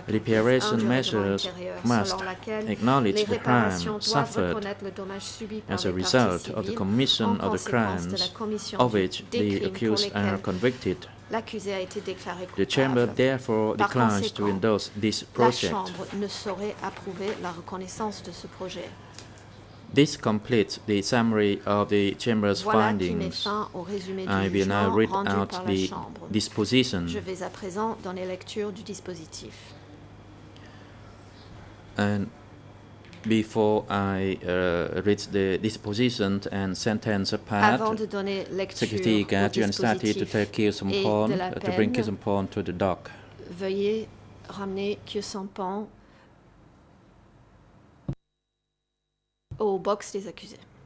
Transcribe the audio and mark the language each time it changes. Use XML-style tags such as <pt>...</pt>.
<en>Reparation measures must acknowledge the crime suffered as a result of the commission of the crimes of which the accused are convicted.</en> <fr>L'accusé a été déclaré coupable.</fr> <en>The Chamber therefore declines to endorse this project.</en> <fr>La Chambre ne saurait approuver la reconnaissance de ce projet.</fr> <en>This completes the summary of the Chamber's findings.</en> <fr>Voilà qui met fin au résumé</fr> <en>I will now read out the</en> <fr>Chambre.</fr> <en>Disposition.</en> <fr>Je vais à présent donner lecture du dispositif.</fr> <en>And before I read the disposition and sentence part, Secretary Gat, you instructed to take Kyusampon, to bring Kyusampon to the dock.</en> <fr>Veuillez ramener Kyusampon au box des accusés.</fr>